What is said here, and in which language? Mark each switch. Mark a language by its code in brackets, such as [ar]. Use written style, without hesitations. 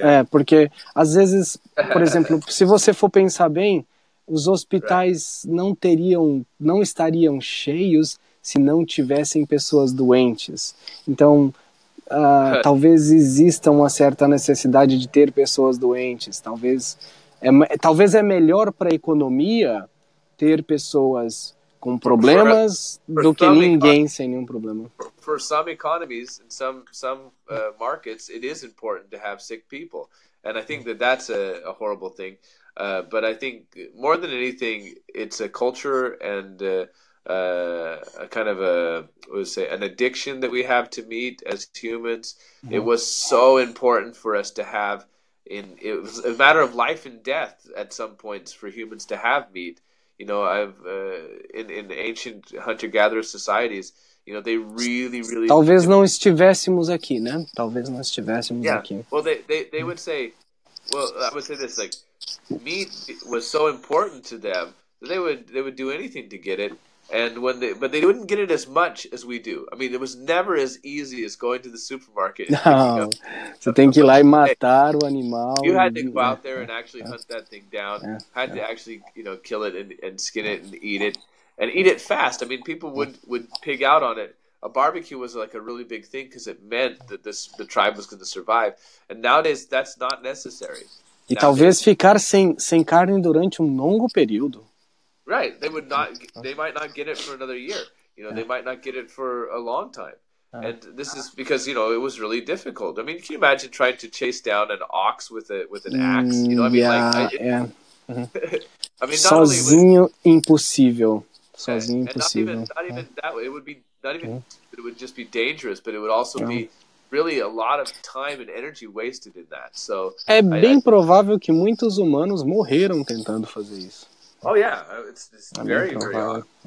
[pt] Porque às vezes, por exemplo, se você for pensar bem, os hospitais não estariam cheios se não tivessem pessoas doentes. Então, talvez exista uma certa necessidade de ter pessoas doentes. Talvez é melhor para a economia ter pessoas com problemas do que ninguém sem nenhum problema. [en] For some economies and some markets, it is important to have sick people, and I think that's a horrible thing. But I think more than anything, it's a culture and a kind of a what would say an addiction that we have to meat as humans. Mm-hmm. It was so important for us to have it was a matter of life and death at some points for humans to have meat. You know, I've in ancient hunter gatherer societies. You know, they really, really. [pt] Talvez não estivéssemos aqui, né? Talvez não estivéssemos aqui. [en] Well, they would say, well, I would say this, like, meat was so important to them that they would do anything to get it, and but they wouldn't get it as much as we do. I mean, it was never as easy as going to the supermarket. No, you know, [pt] você tem que ir lá e matar o animal. [en] You had to go out there and actually hunt that thing down. Had to actually, you know, kill it and skin it and eat it. And eat it fast. I mean, people would pig out on it. A barbecue was like a really big thing because it meant that the tribe was going to survive. And nowadays, that's not necessary. [pt] E talvez ficar sem carne durante longo período. [en] Right. They might not get it for another year. You know, they might not get it for a long time. And this is because, you know, it was really difficult. I mean, can you imagine trying to chase down an ox with an axe? You know, I mean, [pt] Mm-hmm. Sozinho, impossível. Sozinho, impossível. [en] It would be not even. Okay. It would just be dangerous, but it would also be really a lot of time and energy wasted in that. So [pt] é bem provável que muitos humanos morreram tentando fazer isso. [en] Oh yeah, it's very very odd.